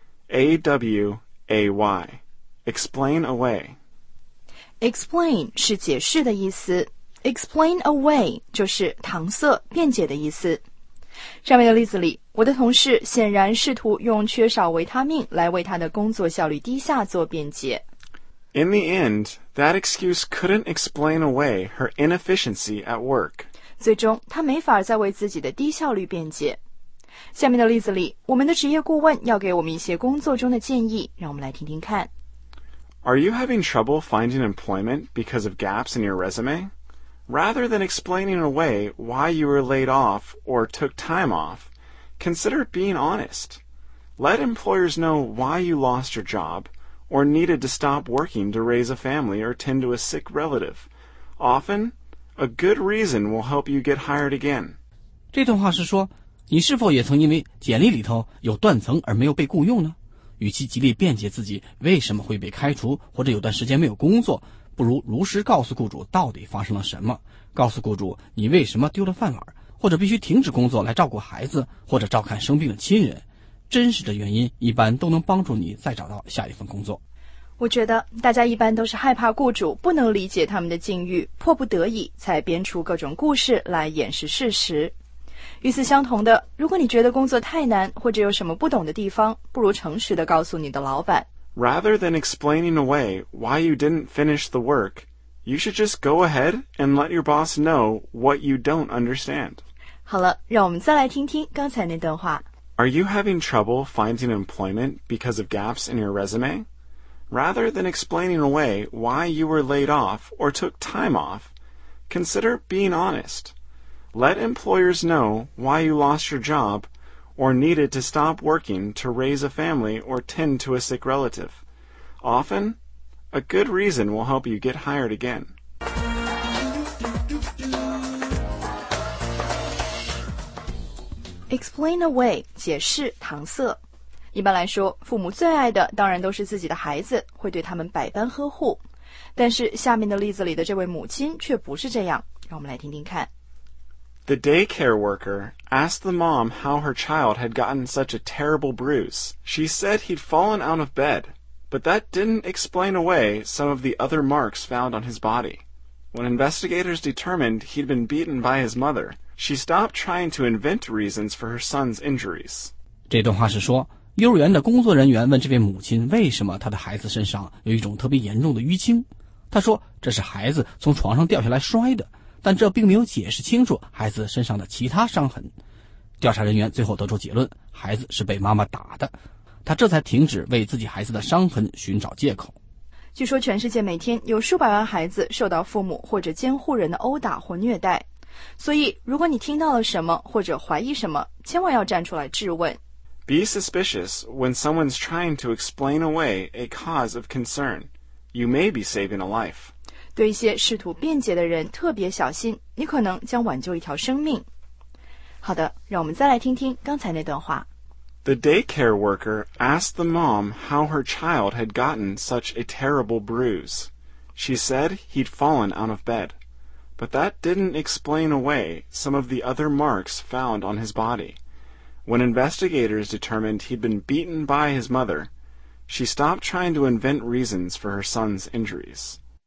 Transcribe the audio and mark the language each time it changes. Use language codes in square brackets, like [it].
[en] A-W-A-Y. Explain away. [zh] Explain 是解释的意思， Explain away 就是搪塞、辩解的意思。上面的例子里，我的同事显然试图用缺少维他命来为他的工作效率低下做辩解。 [en] In the end, that excuse couldn't explain away her inefficiency at work. [zh] 最终，他没法再为自己的低效率辩解。下面的例子里，我们的职业顾问要给我们一些工作中的建议，让我们来听听看。 [en] Are you having trouble finding employment because of gaps in your resume? Rather than explaining away why you were laid off or took time off, consider being honest. Let employers know why you lost your job or needed to stop working to raise a family or tend to a sick relative. Often, a good reason will help you get hired again. [zh] 这段话是说，你是否也曾因为简历里头有断层而没有被雇用呢？与其极力辩解自己为什么会被开除或者有段时间没有工作，不如如实告诉雇主到底发生了什么，告诉雇主你为什么丢了饭碗，或者必须停止工作来照顾孩子或者照看生病的亲人。真实的原因一般都能帮助你再找到下一份工作。我觉得大家一般都是害怕雇主不能理解他们的境遇，迫不得已才编出各种故事来掩饰事实。与此相同的，如果你觉得工作太难或者有什么不懂的地方，不如诚实地告诉你的老板。 [en] Rather than explaining away why you didn't finish the work, you should just go ahead and let your boss know what you don't understand. [zh] 好了，让我们再来听听刚才那段话。 [en] Are you having trouble finding employment because of gaps in your resume? Rather than explaining away why you were laid off or took time off, consider being honest. Let employers know why you lost your job or needed to stop working to raise a family or tend to a sick relative. Often, a good reason will help you get hired again. [zh] Explain away, 解释、搪塞。一般来说，父母最爱的当然都是自己的孩子，会对他们百般呵护。但是下面的例子里的这位母亲却不是这样，让我们来听听看。 [en] The daycare worker asked the mom how her child had gotten such a terrible bruise. She said he'd fallen out of bed, but that didn't explain away some of the other marks found on his body. When investigators determined he'd been beaten by his mother, she stopped trying to invent reasons for her son's injuries. [zh] 这段话是说，幼儿园的工作人员问这位母亲为什么她的孩子身上有一种特别严重的淤青。她说这是孩子从床上掉下来摔的，但这并没有解释清楚孩子身上的其他伤痕。调查人员最后得出结论，孩子是被妈妈打的。她这才停止为自己孩子的伤痕寻找借口。据说全世界每天有数百万孩子受到父母或者监护人的殴打或虐待。所以如果你听到了什么或者怀疑什么，千万要站出来质问。 [en] Be suspicious when someone's trying to explain away a cause of concern. You may be saving a life. [zh] 对一些试图辩解的人特别小心，你可能将挽救一条生命。好的，让我们再来听听刚才那段话。 [en] The daycare worker asked the mom how her child had gotten such a terrible bruise. She said he'd fallen out of bed, but that didn't explain away some of the other marks found on his body. When investigators determined he'd been beaten by his mother, she stopped trying to invent reasons for her son's injuries.